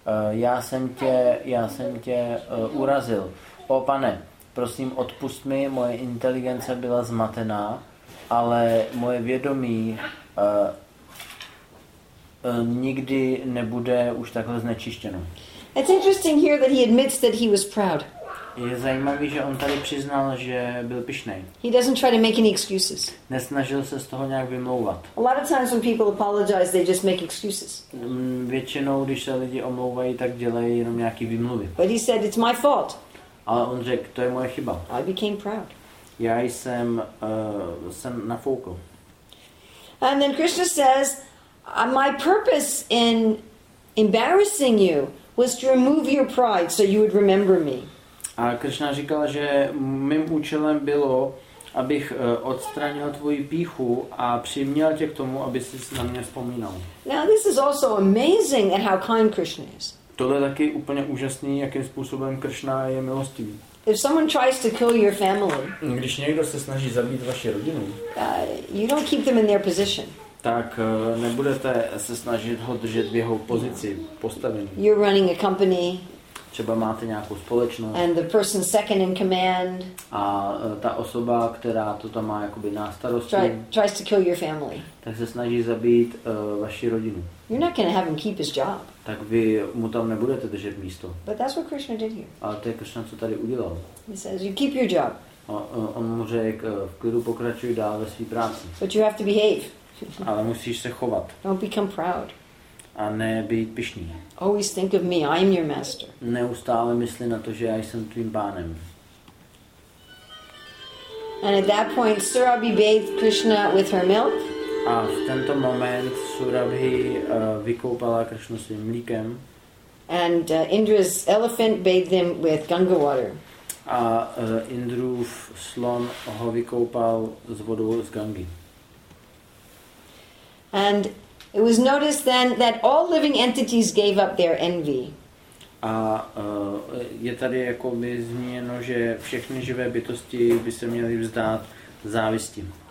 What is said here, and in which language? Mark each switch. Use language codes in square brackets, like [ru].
[cs] Já jsem tě urazil. O pane, prosím, odpust mi, moje inteligence byla zmatená. ale moje vědomí nikdy nebude už takhle znečištěno. [en] It's interesting here that he admits that he was proud. [cs] Je zajímavý, že on tady přiznal, že byl pyšnej. [en] He doesn't try to make any excuses. [cs] Nesnažil se z toho nějak vymlouvat. [en] A lot of times when people apologize, they just make excuses. [cs] Většinou, když se lidi omlouvají, tak dělají jenom nějaký výmluvy. [en] But he said, it's my fault. [cs] Ale on řekl, to je moje chyba. [en] I became proud. [cs] Já jsem nafoukl. [en] And then Krishna says, my purpose in embarrassing you was to remove your pride so you would remember me. [cs] A Krishna říkal, že mým účelem bylo, abych odstranil tvoji pýchu a přiměl tě k tomu, aby si na mě vzpomínal. [en] Now this is also amazing at how kind Krishna is. [cs] Tohle je taky úplně úžasný, jakým způsobem Krishna je milostivý. [en] If someone tries to kill your family, [cs] když někdo se snaží zabít vaši rodinu, [en] you don't keep them in their position. [cs] Tak nebudete se snažit ho držet v jeho pozici, postavení. [en] You're running a company. [cs] Třeba máte nějakou společnost. [en] And the person second in command. [cs] A ta osoba, která to tam má jakoby na starosti. [en] Tries to kill your family. [cs] Tak se snaží zabít vaši rodinu. [en] You're not going to have him keep his job. [cs] Tak vy mu tam nebudete držet místo. [en] But that's what Krishna did here. [cs] Ale to je Krishna, co tady udělal. [en] He says, you keep your job. [cs] On mu řekl, v klidu pokračuj dál ve své práci. [en] But you have to behave. [cs] Ale musíš se chovat. [en] Don't become proud. [cs] A ne být pyšný. [en] Always think of me, I am your master. [cs] Neustále myslí na to, že já jsem tvým pánem. [en] And at that point, Surabhi bathed Krishna with her milk. [cs] A v tento moment Surabhi vykoupala Krishnu svým mlíkem. [en] And Indra's elephant bathed him with Ganga water. [cs] A Indrův slon ho vykoupal s vodou z Gangy. [en] And it was noticed then that all living entities gave up their envy. [cs] A je tady jako by zmíněno, že všechny živé bytosti by se měly vzdát závisti.